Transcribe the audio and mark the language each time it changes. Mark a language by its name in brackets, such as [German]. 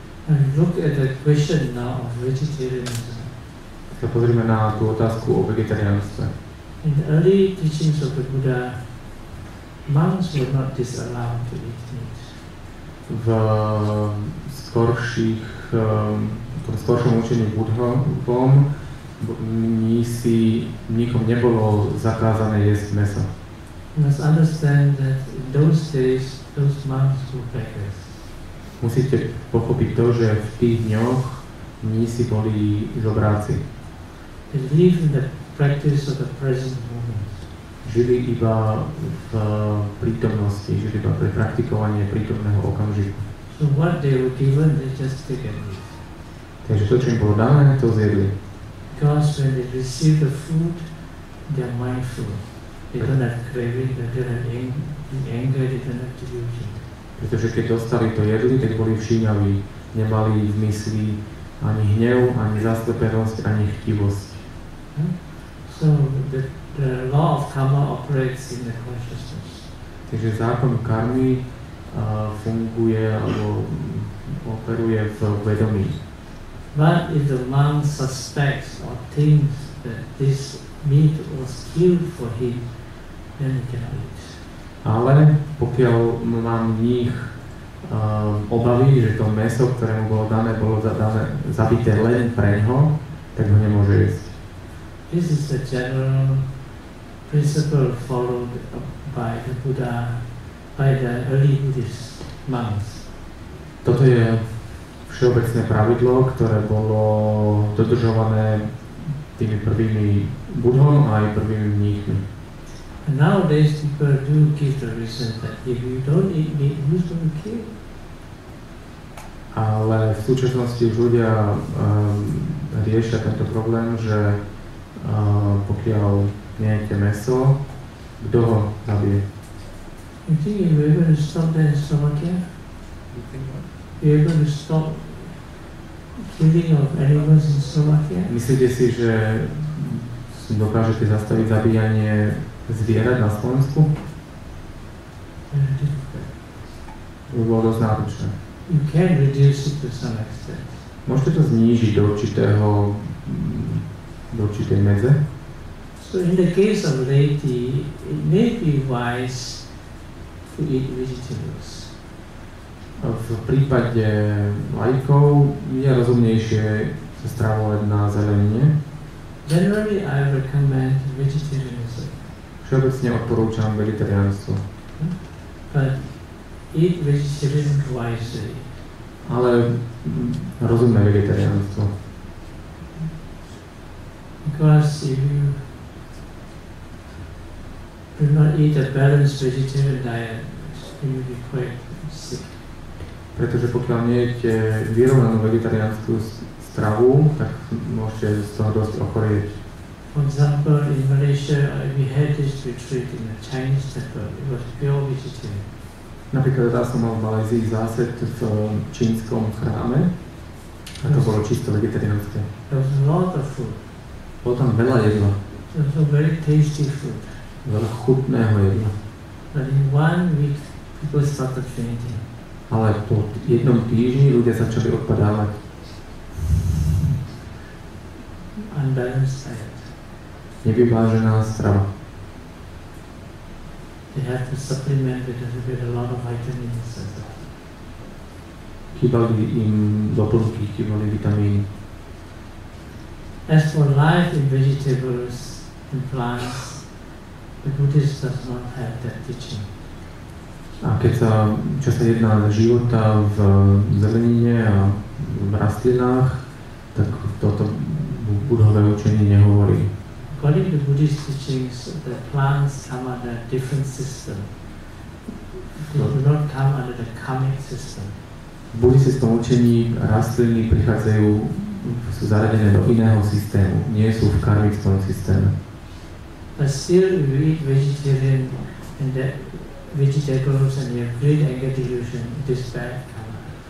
[English] And look at the question now of vegetarianism. [Slovak] Tak pozrime na tú otázku o vegetariánstve. [English] In the early teachings of the Buddha, monks were not disallowed to eat meat. [Slovak] V skorších, v skoršom učení Budhom mnísi nikom nebolo zakázané jesť meso. [English] You must understand that in those days, those monks were beggars. [Slovak] Musíte pochopiť to, že v tých dňoch mnísi boli zobráci. [English] They live in the practice of the present moment. [Slovak] Žili iba v prítomnosti, žili iba pre praktikovanie prítomného okamžiku. [English] So what they were given, they just take and eat. [Slovak] Takže to, čo im bolo dané, to zjedli. [English] Because when they receive the food, they are mindful. They don't have craving, they don't have anger, they don't have delusion. [Slovak] Pretože keď dostali to jedli, tak boli všímaví. Nemali v mysli ani hnev, ani zaslepenosť, ani chtivosť. [English] So the law of karma operates in the consciousness. [Slovak] Takže zákon karmy funguje alebo operuje v vedomí. [English] But if the monk suspects or thinks that this meat was killed for him, then he cannot eat. [Slovak] Ale pokiaľ má mních obavy, že to meso, ktoré mu bolo dané, bolo dané, zabité len pre ňo, tak ho nemôže jesť. [English] This is the general principle followed by the Buddha, by the early Buddhist monks. [Slovak] Toto je všeobecné pravidlo, ktoré bolo dodržované tými prvými Budhom a aj prvými mníchmi. [English] Nowadays people do give the reason that if you don't eat meat, who's going to kill? [Slovak] Ale v súčasnosti už ľudia riešia tento problém, že pokiaľ nejete meso, kto ho zabije? [English] You think you're able to stop that in Slovakia? You're able to stop killing of animals in Slovakia? [Slovak] Myslíte si, že dokážete zastaviť zabíjanie zvierat na Slovensku? To bolo dosť náročné. [English] You can reduce it to some extent. [Slovak] Môžete to znížiť do určitého, do určitej medze? [English] So in the case of Leyte, it may be wise to eat vegetables. [Slovak] V prípade laikov je rozumnejšie sa stravovať na zelenine. [English] Generally I recommend vegetarianism. [Slovak] Všeobecne odporúčam vegetariánstvo. [English] But eat vegetables wisely. [Slovak] Ale rozumné vegetariánstvo. [English] Because if you do not eat a balanced vegetarian diet, you will be quite sick. [Slovak] Pretože pokiaľ nejete vyrovnanú vegetariánsku stravu, tak môžete z toho dosť ochorieť. [English] For example, in Malaysia, we had this retreat in a Chinese temple. It was pure vegetarian. [Slovak] Napríklad ja som mal v Malézii zásad v čínskom chráme a to bolo čisto vegetariánske. [English] There was a lot of food. [Slovak] Bolo tam veľa jedla. [English] There was a very tasty food. [Slovak] Veľa chutného jedla. [English] But in one week, people started fainting. [Slovak] Ale po jednom týždni ľudia začali odpadávať. [English] Unbalanced diet. [Slovak] Nevyvážená strava. [English] They have to supplement because they get a lot of vitamins and stuff. [Slovak] Chýbali im doplnky, chýbali vitamíny. [English] As for life in vegetables and plants, the Buddhist does not have that teaching. [Slovak] A keď sa, čo sa jedná z života v zelenine a v rastlinách, tak toto Budhové učenie nehovorí. [English] According to Buddhist teachings, the plants come under a different system. They do not come under the karmic system. [Slovak] V buddhistickom učení rastliny prichádzajú, sú zaradené do iného systému, nie sú v karmickom systéme. [English] But still you eat vegetarian and that vegetables and you have great anger delusion, it is bad karma.